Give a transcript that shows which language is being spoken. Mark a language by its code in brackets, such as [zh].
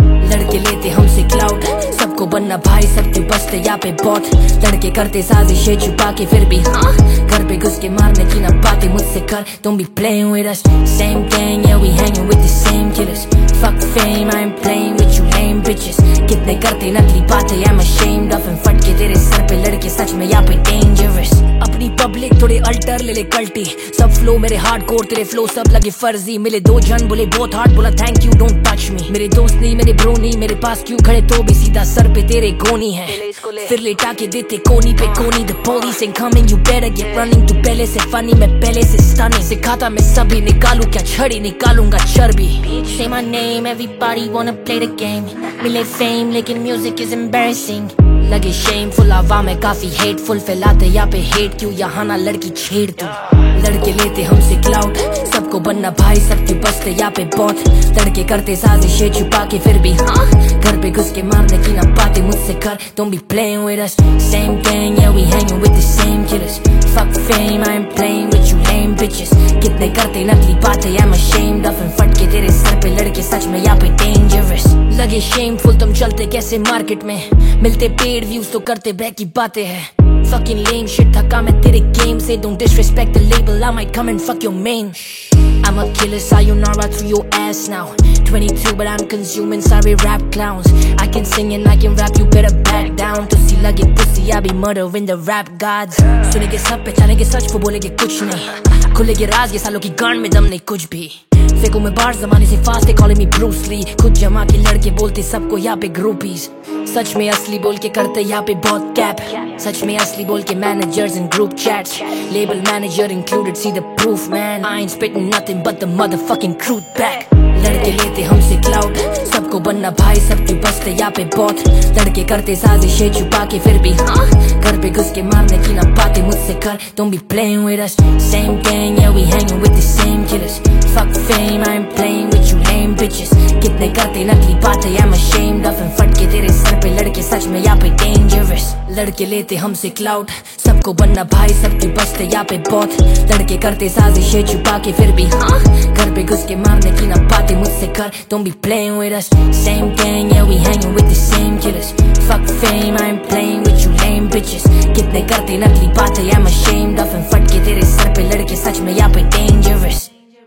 [hi] लड़के लेते हमसे क्लाउड, सबको बनना भाई, सब क्यों बसते यहाँ पे बॉट। लड़के करते साजिश है छुपा के, फिर भी हाँ घर पे घुस के मारने की ना बातें मुझसे कर। [en] Don't be playing with us, same gang, yeah we hanging with the same killers. Fuck fame, I'm playing with you lame bitches. [hi] कितने करते नकली बातें, [en] I'm ashamed of, and [hi] फट के तेरे सर पे लड़के, सच में यहाँ पे dangerous. अपनी पब्लिक थोड़े अल्टर ले ले कल्टी, सब फ्लो मेरे हार्ड कोर, तेरे फ्लो सब लगे फर्जी। मिले दो जन बोले बहुत हार्ड, बोला [en] Thank you don't touch me. [hi] मेरे दोस्त नहीं मेरे ब्रो नहीं, मेरे पास क्यों खड़े तो भी सीधा सर पे तेरे गोनी है। फिर लेटा के देते कोनी पे कोनी, [en] the police ain't coming, you better get running. [hi] तू पहले से funny, मैं पहले से stunning. सिखाता मैं सभी, निकालू क्या छड़ी, निकालूंगा चर्बी। [en] Say my name, everybody wanna play the game. मिले fame, लेकिन music is embarrassing. [hi] लगे शेमफुल आवाज़ में काफी हेटफुल, फैलाते यहाँ पे हेट क्यों, यहाँ ना लड़की छेड़ तू। लड़के लेते हमसे क्लाउड, सबको बनना भाई, सब क्यों बसते यहाँ पे बॉट। लड़के करते साजिश छुपा के, फिर भी हाँ घर पे घुस के मारने की ना बातें मुझसे कर। [en] Don't be playing with us, same gang, yeah we hanging with the same killers. Fuck fame, I'm playing with you lame bitches. [hi] कितने करते नकली बातें, [en] I'm ashamed of, and [hi] फट के तेरे सर पे लड़के, सच में यहाँ पे dangerous. लगे shameful, तुम चलते कैसे मार्केट में, मिलते पेड व्यूज तो करते बैक की बातें हैं। [en] Fucking lame shit, [hi] थका मैं तेरे गेम से, [en] don't disrespect the label, I might come and fuck your main. I'm a killer, sayonara through your ass now. 22 but I'm consuming sorry rap clowns. I can sing and I can rap, you better back down. To see like a pussy, I be murdering the rap gods. [hi] सुनेंगे सब, पहचानेंगे सच, वो बोलेंगे कुछ नहीं, खुलेंगे राज, ये सालों की गांड में दम नहीं कुछ भी। फेंकू मैं बार, जमाने से fast, [en] they calling me Bruce Lee. [hi] खुद जमा के लड़के बोलते सबको यहाँ पे groupies. सच में असली बोल के करते यहाँ पे बहुत cap. सच में असली बोल के [en] managers in group chats. Label manager included, see the proof man. I ain't spitting nothing but the motherfucking truth back. [hi] लड़के लेते हमसे क्लाउड, सबको बनना भाई, सब क्यों बसते यहाँ पे बहुत। लड़के करते साजिश है छुपा के, फिर भी हाँ घर पे घुस के मारने की ना बातें मुझसे कर। [en] Don't be playing with us, same gang, yeah we hanging with the same killers. Fuck fame, I'm playing with you lame bitches. [hi] कितने करते नकली बातें, [en] I'm ashamed of, and [hi] फट के तेरे सर पे लड़के, सच में यहाँ पे dangerous. लड़के लेते हमसे क्लाउड, सबको बनना भाई, सब क्यों बसते यहाँ पे बहुत। लड़के करते साजिश है छुपा के, फिर भी हाँ घर पे घुस के मारने की ना बातें मुझसे कर। [en] Don't be playing with us, same gang, yeah we hanging with the same killers. Fuck fame, I'm playing with you lame bitches. [hi] कितने करते नकली बातें, [en] I'm ashamed of, and [hi] फट के तेरे सर पे लड़के, सच में यहाँ पे dangerous.